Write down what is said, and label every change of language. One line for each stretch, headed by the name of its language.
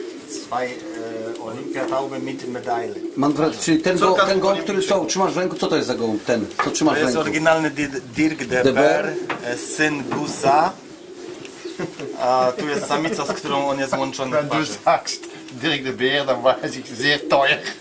German: Zwei Olympiataube mit Medaille.
Polish: Manfred, czyli ten gołąb, który trzymasz w ręku, co to jest za gołąb ten? Co trzymasz to jest w ręku? Oryginalny Dirk de Beer, syn Gusa. A tu jest samica, z którą on jest łączony w parze.
German: Dirk de Beer, dann weiß ich, sehr teuer.